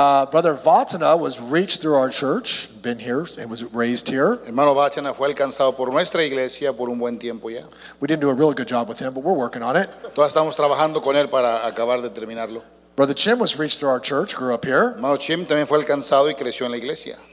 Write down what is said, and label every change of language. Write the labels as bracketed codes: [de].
[en] Brother Vatana was reached through our church, been here, and was raised here. [es] Hermano Vatana fue alcanzado por nuestra iglesia por un buen tiempo ya. [en] We didn't do a really good job with him, but we're working on it. [es] Todavía estamos trabajando con él para acabar de terminarlo. [en] Brother Chim was reached through our church, grew up here. [es] Hermano Chim también fue alcanzado y creció en la iglesia.